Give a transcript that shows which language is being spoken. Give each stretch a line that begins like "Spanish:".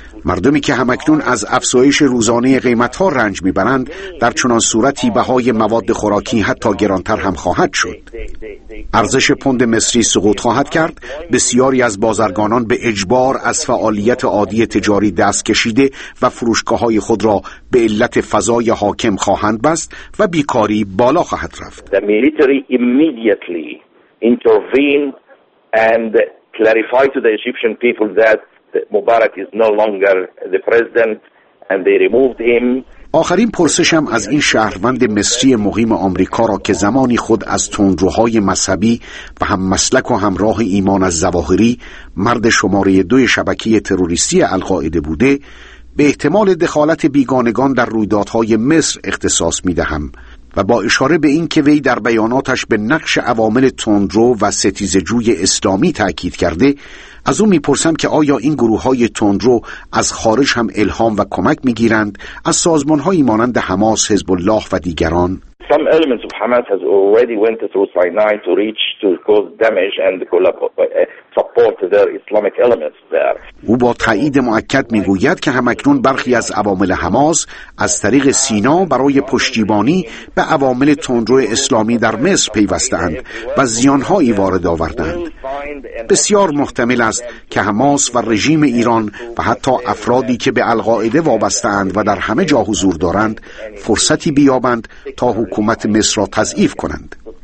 Persian: مردمی که همکنون از افزایش روزانه قیمت‌ها رنج می‌برند، در چنان صورتی بهای مواد خوراکی حتی گران‌تر هم خواهد شد. ارزش پوند مصری سقوط خواهد کرد، بسیاری از بازرگانان به اجبار از فعالیت عادی تجاری دست کشیده و فروشگاه‌های خود را به علت فضای حاکم خواهند بست و بیکاری بالا خواهد رفت.
English: The military immediately intervened and clarified to the Egyptian people that Mubarak is no longer the president and they removed him.
Persian: آخرین پرسشم از این شهروند مصری مقیم آمریکا را که زمانی خود از تندروهای مذهبی و هم مسلک و همراه ایمان از زواهری مرد شماره دوی شبکه تروریستی القاعده بوده، به احتمال دخالت بیگانگان در رویدادهای مصر اختصاص می‌دهم و با اشاره به این که وی در بیاناتش به نقش عوامل تندرو و ستیزجوی اسلامی تأکید کرده، از او می‌پرسم که آیا این گروه‌های تندرو از خارج هم الهام و کمک می‌گیرند، از سازمان‌هایی مانند حماس، حزب الله و دیگران؟
English: Some elements of Hamas has already went through Sinai to reach to cause damage and support their Islamic elements there.
Persian: او با تایید مؤکد می‌گوید که همکنون برخی از عوامل حماس از طریق سینا برای پشتیبانی به عوامل تندرو اسلامی در مصر پیوستند و زیان‌هایی وارد آوردند. بسیار محتمل است که حماس و رژیم ایران و حتی افرادی که به القاعده وابستند و در همه جا حضور دارند فرصتی بیابند تا حکومت مصر را تضعیف کنند.